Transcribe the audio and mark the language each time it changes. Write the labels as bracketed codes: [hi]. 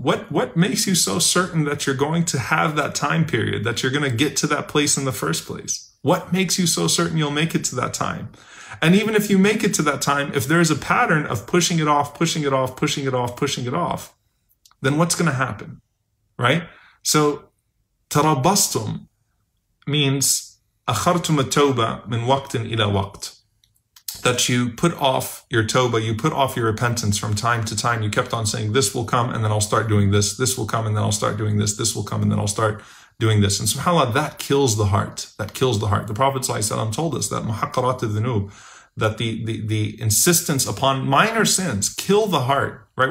[en] What makes you so certain that you're going to have that time period, that you're going to get to that place in the first place? What makes you so certain you'll make it to that time? And even if you make it to that time, if there is a pattern of pushing it off, pushing it off, pushing it off, pushing it off, then what's going to happen, right? So tarabbastum means [ar] أخرتم التوبة من وقت إلى وقت. [en] That you put off your tawbah, you put off your repentance from time to time. You kept on saying, this will come and then I'll start doing this. This will come and then I'll start doing this. This will come and then I'll start doing this. And subhanAllah, that kills the heart. That kills the heart. The Prophet ﷺ told us that [ar] محقرات الذنوب, [en] that the insistence upon minor sins kill the heart, right?